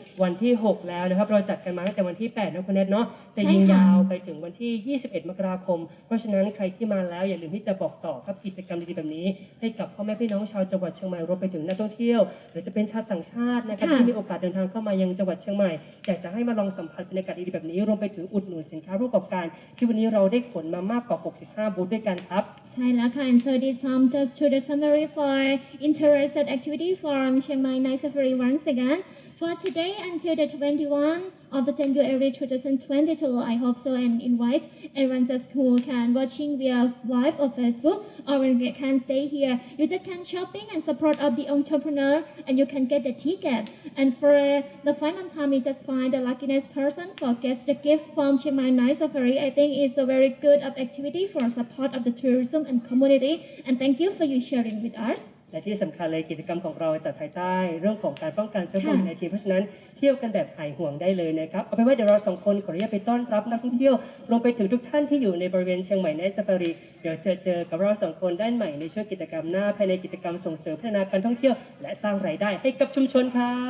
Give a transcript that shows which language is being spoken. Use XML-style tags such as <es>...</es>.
<th>วันที่6แล้วนะครับเราจัดกันมาตั้งแต่วันที่8นะคุณเนทเนาะจะยิงยาวไปถึงวันที่21มกราคมเพราะฉะนั้นใครที่มาแล้วอย่าลืมที่จะบอกต่อครับกิจกรรมดีๆแบบนี้ให้กับพ่อแม่พี่น้องชาวจังหวัดเชียงใหม่รวมไปถึงนักท่องเที่ยวหรือจะเป็นชาวต่างชาตินะครับที่มีโอกาสเดินทางเข้ามายังจังหวัดเชียงใหม่อยากจะให้มาลองสัมผัสบรรยากาศดีๆแบบนี้รวมไปถึงอุดหนุนสินค้าร่วมกับการที่วันนี้เราได้ขนมามากกว่า65บูธด้วยกันครับ ใช่แล้วค่ะ</th> <en>Answer this time just to the summary for interested activity from Chiang Mai Safari once again for today until the 21of January 2022, I hope so, and invite everyone just who can watching via live or Facebook, or can stay here. You just can shopping and support of the entrepreneur, and you can get the ticket. And for the final time, you just find the luckiest person for get the gift from Chiang Mai Night Safari. I think it's a very good of activity for support of the tourism and community. And thank you for you sharing with us.</en> <th>และที่สำคัญเลยกิจกรรมของเราจัดภายใต้เรื่องของการป้องกันเชื้อโควิด-19เพราะฉะนั้นเที่ยวกันแบบหายห่วงได้เลยนะครับเอาไปว่าเดี๋ยวเราสองคนขออนุญาตไปต้อนรับนักท่องเที่ยวรวมไปถึงทุกท่านที่อยู่ในบริเวณเชียงใหม่ในซาฟารีเดี๋ยวเจอกับเราสองคนด้านใหม่ในช่วงกิจกรรมหน้าภายในกิจกรรมส่งเสริมพัฒนาการท่องเที่ยวและสร้างรายได้ให้กับชุมชนค่ะ</th>